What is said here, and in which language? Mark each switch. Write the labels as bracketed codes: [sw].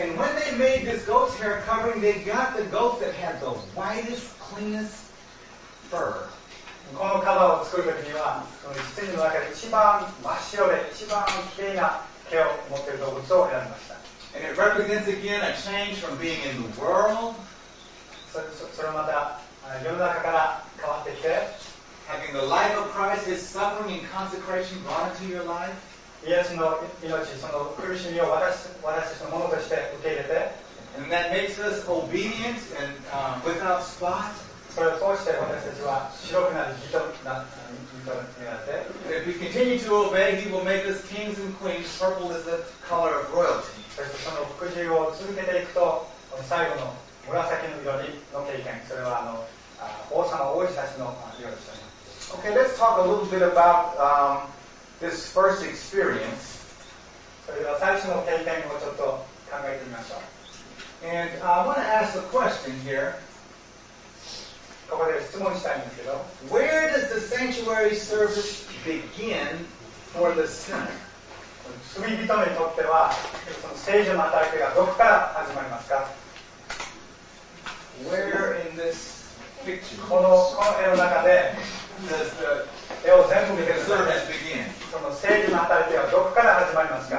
[en] And when they made this goat's hair covering, they got the goat that had the whitest, cleanest fur. [ja] このカバーを作るときには、その羊の中で一番真っ白で、一番綺麗な毛を持っている動物を選びました。 [en] And it represents again a change from being in the world. [ja] それまた、世の中から変わってきて、 [en] having the life of Christ, his suffering and consecration brought into your life. [ja] イエスの命、その苦しみを私のものとして受け入れて、 [en] and that makes us obedient and without spot. [ja] それを通して私たちは白くなる義と なって [en] If we continue to obey, he will make us kings and queens. Purple is the color of royalty. [ja] そしてその服従を続けていくと、最後の紫の色の経験、それは王様王子たちの色でした。 [en] Okay, let's talk a little bit about this first experience. [ja] それでは最初の経験をちょっと考えてみましょう。 [en] And I want to ask a question here [ja] ここで質問したいんですけど、 [en] Where does the sanctuary service begin for the sinner? [ja] 罪人にとっては、その聖所の働きがどこから始まりますか [en] ?Where in this picture? [ja] この絵の中で、絵を全部見てください [en] 。 The service begin. [ja] その聖所の働きはどこから始まりますか